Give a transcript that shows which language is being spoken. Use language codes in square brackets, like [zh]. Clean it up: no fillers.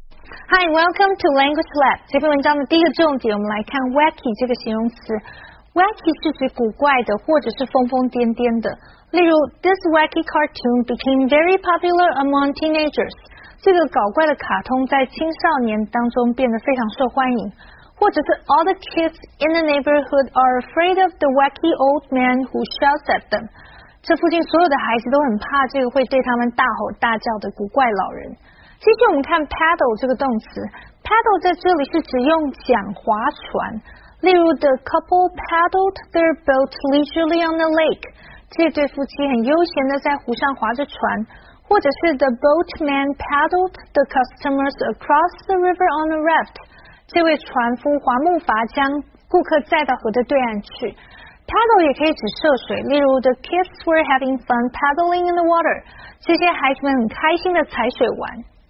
[en] Hi, welcome to Language Lab. [zh] 这篇文章的第一个重点，我们来看 wacky 这个形容词。 Wacky 是指古怪的，或者是疯疯癫癫的。例如 [en] ，This wacky cartoon became very popular among teenagers. [zh] 这个搞怪的卡通在青少年当中变得非常受欢迎。或者是 [en] All the kids in the neighborhood are afraid of the wacky old man who shouts at them. [zh] 这附近所有的孩子都很怕这个会对他们大吼大叫的古怪老人。其实我们看 paddle 这个动词， paddle 在这里是指用桨划船。例如 [en] ，The couple paddled their boat leisurely on the lake。 [zh] 这对夫妻很悠闲的在湖上划着船。或者是 [en] ，The boatman paddled the customers across the river on a raft。 [zh] 这位船夫划木筏将顾客载到河的对岸去。 [en] Paddle [zh] 也可以指涉水，例如 [en] ，The kids were having fun paddling in the water。 [zh] 这些孩子们很开心的踩水玩。